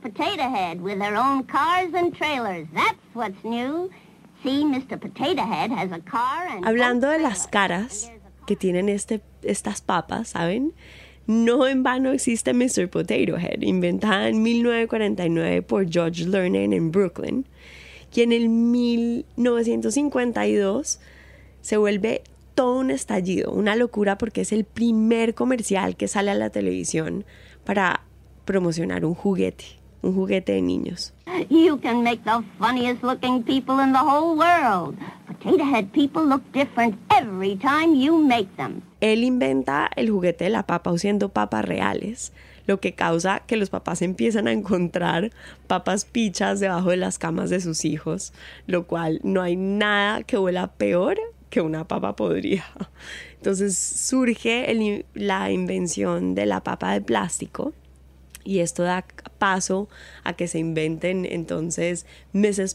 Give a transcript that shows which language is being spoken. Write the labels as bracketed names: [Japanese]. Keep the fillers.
[English] Potato Head with their own cars and trailers. That's what's new. See, Mr. Potato Head has a car and [Spanish] Hablando de las caras que tienen este, estas papas, ¿saben? No en vano existe Mr. Potato Head, inventada en 1949 por George Lerner en Brooklyn, quien en 1952 se vuelve todo un estallido, una locura porque es el primer comercial que sale a la televisión para promocionar un juguete, un juguete de niños. [English] You can make the funniest looking people in the whole world. Potato Head people look different every time you make them. [Spanish] Él inventa el juguete de la papa usando papas reales, lo que causa que los papás empiezan a encontrar papas pichas debajo de las camas de sus hijos, lo cual no hay nada que huela peor que una papa podrida. Entonces surge el- la invención de la papa de plástico, y esto da paso a que se inventen entonces Mrs.